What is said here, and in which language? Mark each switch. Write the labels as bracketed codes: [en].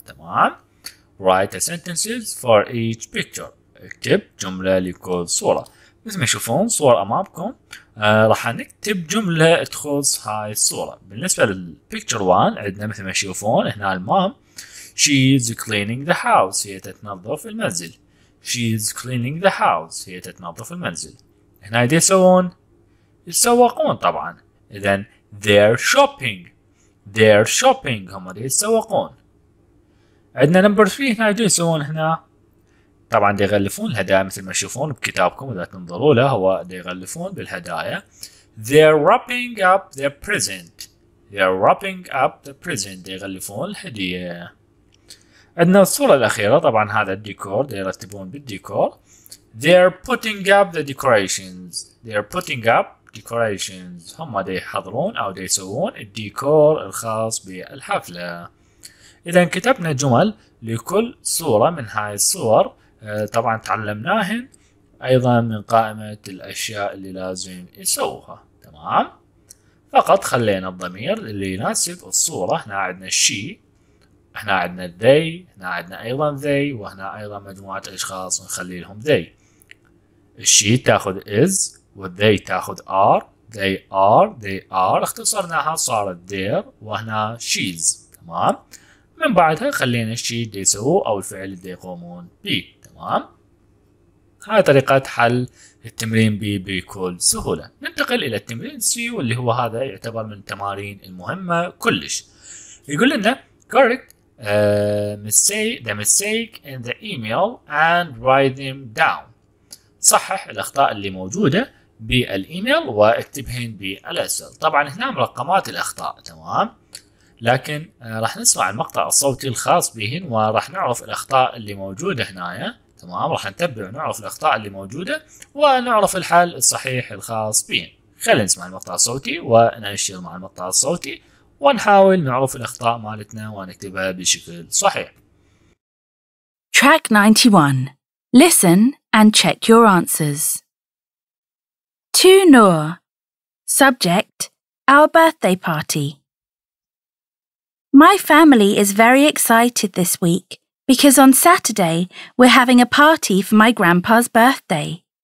[ar] تمام، [en] write a sentences for each picture. [ar] اكتب جملة لكل صورة. مثل ما تشوفون صور أمامكم، راح نكتب جملة تخص هاي الصورة. بالنسبة للبيكتشر 1 عندنا مثل ما تشوفون هنا المام. [en] She is cleaning the house. [ar] هي تتنظف المنزل. [en] She is cleaning the house. [ar] هي تتنظف المنزل. هنا دي يسوون يسوقون طبعا. إذن [en] they're shopping. They're shopping. [ar] هم دي يسوقون. عندنا number 3 هنا دي يسوون هنا. طبعا دي يغلفون الهدايا مثل ما تشوفون بكتابكم اذا تنظروا له، هو دي يغلفون بالهدايا. [en] They're wrapping up the present. They're wrapping up the present. [ar] دي يغلفون الهدية. عندنا الصورة الأخيرة، طبعا هذا الديكور دي يرتبون بالديكور. [en] They're putting up the decorations. They're putting up decorations. [ar] هم دي يحضرون أو دي يسوون الديكور الخاص بالحفلة. إذا كتبنا جمل لكل صورة من هاي الصور، طبعا تعلمناهن ايضا من قائمة الاشياء اللي لازم يسووها. تمام، فقط خلينا الضمير اللي يناسب الصورة. هنا عندنا الشي، هنا عندنا الذي، هنا عندنا ايضا ذي، وهنا ايضا مجموعة اشخاص نخلي لهم ذي. الشي تاخذ is والذي تاخذ are. [en] they are. they are [ar] اختصرناها صارت there، وهنا she's. تمام، من بعدها خلينا الشي دي يسووه او الفعل اللي يقومون به. تمام، هاي طريقة حل التمرين بي بكل سهولة. ننتقل إلى التمرين سي واللي هو هذا يعتبر من التمارين المهمة كلش. يقول لنا [en] correct the mistake in the email and write them down. [ar] صحح الأخطاء اللي موجودة بالإيميل واكتبهن بالأسفل. طبعا هنا مرقمات الأخطاء تمام، لكن راح نسمع المقطع الصوتي الخاص بهن وراح نعرف الأخطاء اللي موجودة هنا تمام، راح نتبع ونعرف الأخطاء اللي موجودة ونعرف الحل الصحيح الخاص بهن. خلينا نسمع المقطع الصوتي وننشر مع المقطع الصوتي ونحاول نعرف الأخطاء مالتنا ونكتبها بشكل صحيح. [en] Track 91. Listen and check your answers. To Noor. Subject: Our birthday party. My family is very excited this week because on Saturday we're having a party for my grandpa's birthday.